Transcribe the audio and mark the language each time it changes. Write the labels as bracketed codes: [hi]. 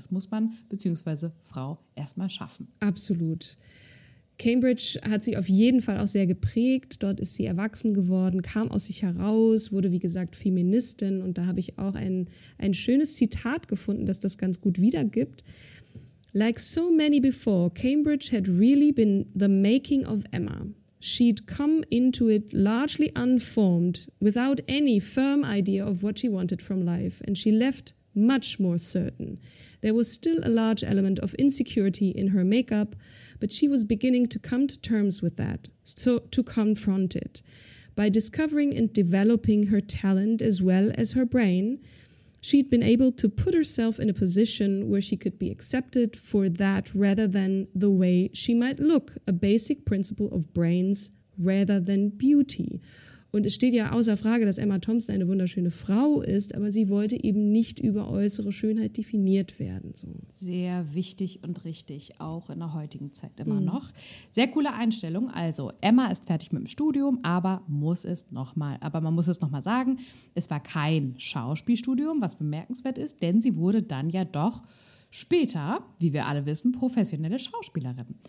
[de] Das muss man bzw. Frau erstmal schaffen. Absolut. Cambridge hat sie auf jeden Fall auch sehr geprägt. Dort ist sie erwachsen geworden, kam aus sich heraus, wurde wie gesagt Feministin. Und da habe ich auch ein schönes Zitat gefunden, das das ganz gut wiedergibt. [en] Like so many before, Cambridge had really been the making of Emma. She'd come into it largely unformed, without any firm idea of what she wanted from life, and she left much more certain. There was still a large element of insecurity in her makeup, but she was beginning to come to terms with that, so to confront it. By discovering and developing her talent as well as her brain, she'd been able to put herself in a position where she could be accepted for that rather than the way she might look. A basic principle of brains rather than beauty. [de] Und es steht ja außer Frage, dass Emma Thompson eine wunderschöne Frau ist, aber sie wollte eben nicht über äußere Schönheit definiert werden. So. Sehr wichtig und richtig, auch in der heutigen Zeit immer noch. Sehr coole Einstellung. Also Emma ist fertig mit dem Studium, aber man muss es nochmal sagen, es war kein Schauspielstudium, was bemerkenswert ist, denn sie wurde dann ja doch später, wie wir alle wissen, professionelle Schauspielerin.